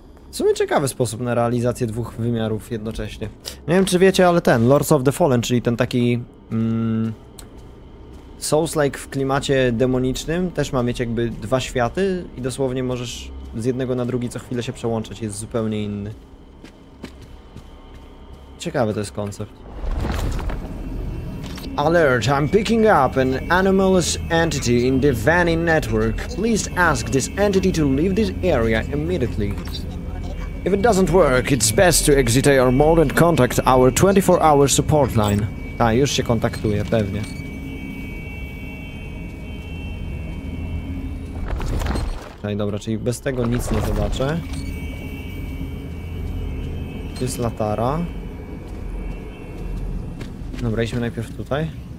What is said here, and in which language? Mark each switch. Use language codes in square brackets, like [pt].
[pl] W sumie ciekawy sposób na realizację dwóch wymiarów jednocześnie. Nie wiem, czy wiecie, ale ten Lords of the Fallen, czyli ten taki Souls-like w klimacie demonicznym, też ma mieć jakby dwa światy i dosłownie możesz z jednego na drugi co chwilę się przełączać, jest zupełnie inny. Ciekawy to jest koncept. [en] Alert! I'm picking up an anomalous entity in the Vanny network. Please ask this entity to leave this area immediately. If it doesn't work, it's best to exit our mode and contact our 24-hour support line. [pl] Tak, już się kontaktuje, pewnie. No i dobra, czyli bez tego nic nie zobaczę. Jest latara. Dobra, idźmy najpierw tutaj.